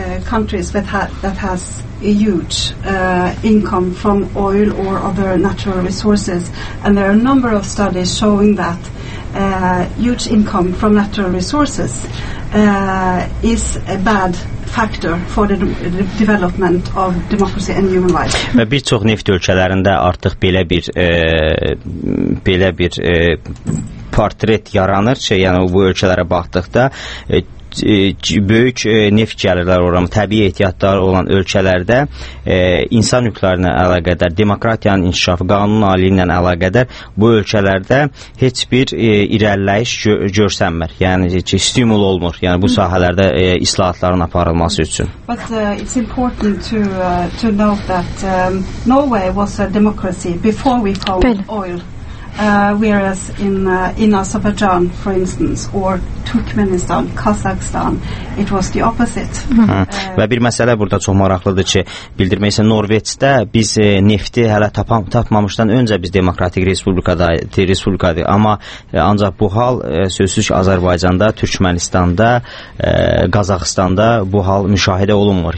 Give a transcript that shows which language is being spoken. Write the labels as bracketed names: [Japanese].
[English] Countries that has a huge income from oil or other natural resources, and there are a number of studies showing that huge income from natural resources is a bad factor for the development of democracy and human rights. [Azerbaijani] Və bir çox neft ölkələrində artıq belə bir portret yaranır ki, yəni bu ölkələrə baxdıqda böyük neft gəlirləri olan, təbii ehtiyatları olan ölkələrdə insan hüquqları ilə əlaqədar, demokratiyanın inkişafı, qanun aliliyi ilə əlaqədar bu ölkələrdə heç bir irəliləyiş görsənmir. Yəni ki, stimul olmur. Yəni bu sahələrdə islahatların aparılması üçün. [English] But it's important to note that Norway was a democracy before we found oil. Whereas in Azerbaijan, for instance, or Turkmenistan, Kazakhstan, it was the opposite. [Azerbaijani] Və bir məsələ burada çox maraqlıdır ki, bildirmək isə Norveçdə biz nefti hələ tapmamışdan öncə biz demokratik respublikadır. Amma ancaq bu hal sözsüz ki, Azərbaycanda, Türkmenistanda, Qazaxıstanda bu hal müşahidə olunmur.